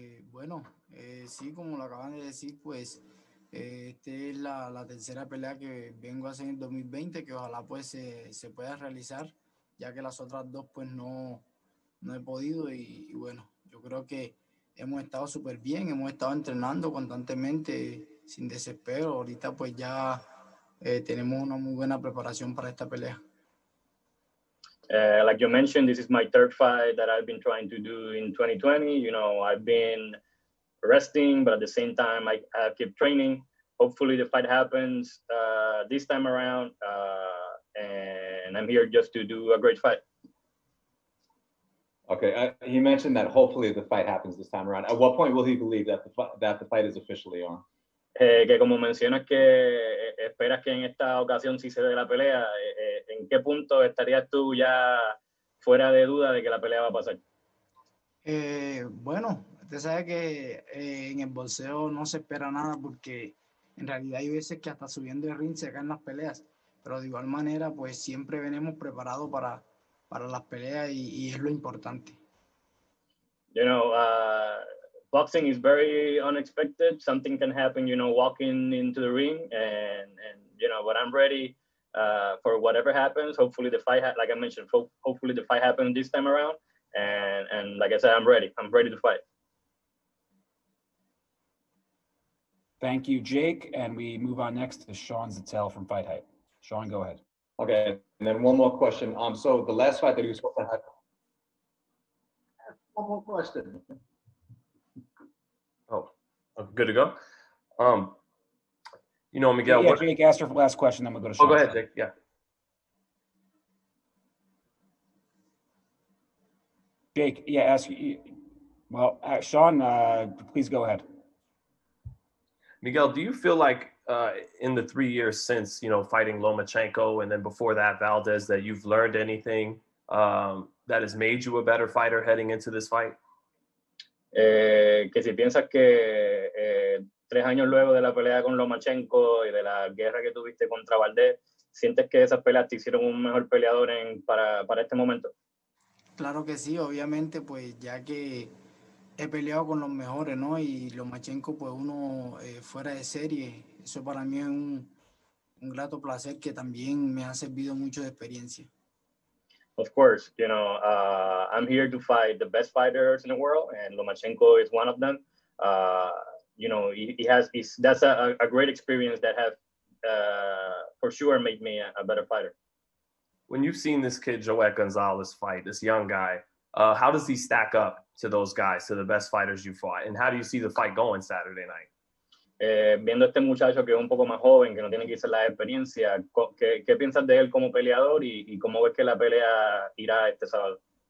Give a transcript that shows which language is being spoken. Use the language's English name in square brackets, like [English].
[Spanish] Bueno, sí, como lo acaban de decir, pues esta es la tercera pelea que vengo a hacer en 2020, que ojalá pues se pueda realizar. Ya que las otras dos pues no he podido y bueno, yo creo que hemos estado súper bien, hemos estado entrenando constantemente sin desespero, ahorita pues ya tenemos una muy buena preparación para esta pelea. [English] Like you mentioned, this is my third fight that I've been trying to do in 2020. You know, I've been resting, but at the same time I keep training. Hopefully the fight happens this time around. And I'm here just to do a great fight. Okay, he mentioned that hopefully the fight happens this time around. At what point will he believe that the fight is officially on? [Spanish] Que como mencionas que esperas que en esta ocasión sí se dé la pelea, ¿en qué punto estarías tú ya fuera de duda de que la pelea va a pasar? Bueno, usted sabe que en el boxeo no se espera nada porque en realidad hay veces que hasta subiendo el ring se ganan las peleas. Pero de igual manera, pues siempre venimos preparados para las peleas y es lo importante. [English] You know, boxing is very unexpected. Something can happen, you know, walking into the ring. And you know, but I'm ready for whatever happens. Hopefully the fight, like I mentioned, hopefully the fight happens this time around. And like I said, I'm ready. I'm ready to fight. Thank you, Jake. And we move on next to Sean Zatel from Fight Hype. Sean, go ahead. Okay, and then one more question. So the last fight that he was supposed to have. One more question. Oh, I'm good to go. You know, Miguel. Yeah, Jake, ask her for the last question. Then we'll go to Sean. Oh, go ahead, Jake. Yeah. Jake, yeah. Ask. Well, Sean, please go ahead. Miguel, do you feel like in the 3 years since, you know, fighting Lomachenko and then before that Valdez, that you've learned anything that has made you a better fighter heading into this fight? [Spanish] que si piensas que 3 años luego de la pelea con Lomachenko y de la guerra que tuviste contra Valdés, ¿sientes que esas peleas te hicieron un mejor peleador para este momento? Claro que sí, obviamente, pues ya que he peleado con los mejores, ¿no? Y Lomachenko, pues uno fuera de serie, eso para mí es un grato placer que también me ha servido mucho de experiencia. [English] Of course, you know, I'm here to fight the best fighters in the world, and Lomachenko is one of them. You know, that's a great experience that have for sure made me a better fighter. When you've seen this kid, Joel Gonzalez, fight, this young guy, how does he stack up to those guys, to the best fighters you fought? And how do you see the fight going Saturday night? [Spanish] Viendo este muchacho que es un poco más joven, que no tiene quizás la experiencia, ¿qué piensas de él como peleador y cómo ves que la pelea irá este sábado?